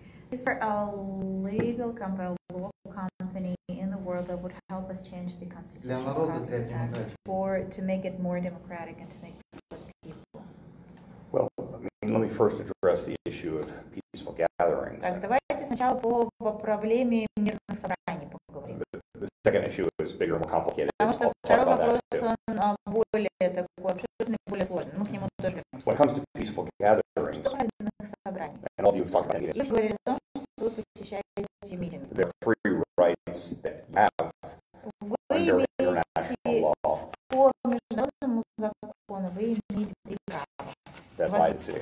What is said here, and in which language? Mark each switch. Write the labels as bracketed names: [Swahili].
[English] Is there a legal company, a local company in the world that would help us change the constitution to make it more democratic and to make public people? Well, let me first address the issue of peaceful gatherings. [Russian] Давайте сначала по проблеме мирных собраний поговорим. [English] The second issue is bigger and more complicated. [Russian] Потому что второй вопрос, он более такой обширный, более сложный. Мы к нему тоже вернемся. [English] When it comes to peaceful gatherings, and all of you have talked about [Russian] meetings, если говорить о том, что вы посещаете митинг, [English] there are three rights that you have under international law. [Russian] По международному закону вы имеете три права.